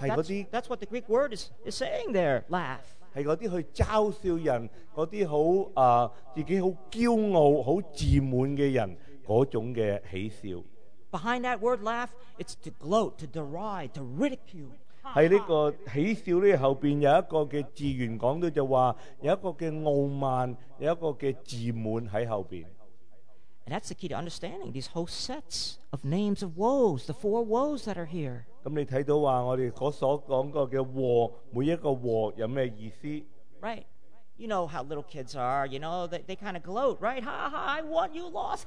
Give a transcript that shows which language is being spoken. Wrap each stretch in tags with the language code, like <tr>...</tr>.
<yue>系嗰啲</yue> <en>that's what the Greek word is saying there. Laugh.</en> <yue>系嗰啲去嘲笑人，嗰啲好自己好骄傲、好自满嘅人嗰种嘅喜笑。</yue> <en>Behind that word laugh, it's to gloat, to deride, to ridicule.</en> <yue>喺呢个喜笑咧后边有一个嘅字源讲到就话有一个嘅傲慢，有一个嘅自满喺后边。</yue> <en>And that's the key to understanding these whole sets of names of woes, the four woes that are here.</en> <yue>咁你睇到话我哋嗰所讲过嘅祸，每一个祸有咩意思</yue> <en>？Right, you know how little kids are. You know they kind of gloat, right? Ha ha! I won, you lost.</en>